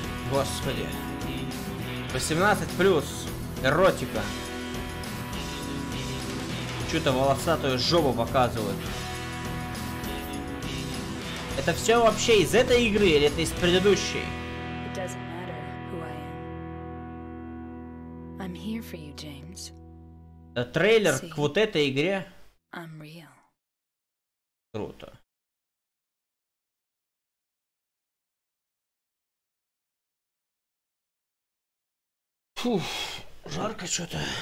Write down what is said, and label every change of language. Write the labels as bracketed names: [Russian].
[Russian] Господи. 18+. Эротика. Чё-то волосатую жопу показывают. Это все вообще из этой игры или это из предыдущей? [English] It doesn't matter who I am. I'm here for you, James. [Russian] Это трейлер к вот этой игре. [English] I'm real. [Russian] Круто. Фух, жарко что-то.